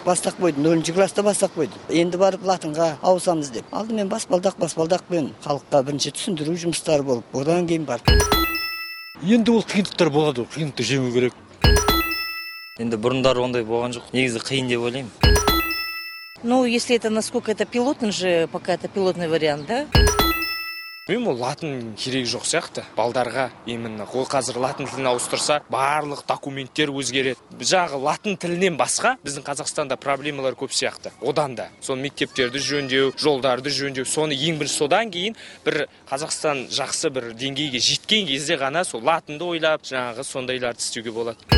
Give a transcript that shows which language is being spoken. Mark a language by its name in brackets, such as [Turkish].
[Kazakh] Бастақ қойды, 0-шы класта бастақ қойды. Енді барып латынға ауысамыз деп. Алдымен баспалдақпен халыққа бірінші түсіндіру жұмыстары болып, одан кейін барып. Енді ол қиындықтар болады, қиындықты жеңу керек. Енді бұрындары ондай болған жоқ. Негізі қиын деп ойлаймын. [Russian] Если это насколько это пилотный же, пока это пилотный вариант, да? [Kazakh] Мен ол латынның керегі жоқ сияқты. Балдарға именно ғой қазір латын тілін ауыстырса, барлық документтер өзгереді. Жағы латын тілінен басқа біздің Қазақстанда проблемалар көп сияқты. Одан да, соны мектептерді жөндеу, жолдарды жөндеу, соны ең бірінші содан кейін бір Қазақстан жақсы бір деңгейге жеткен кезде ғана сол латынды ойлап, жаңағы сондайларды істеуге болады.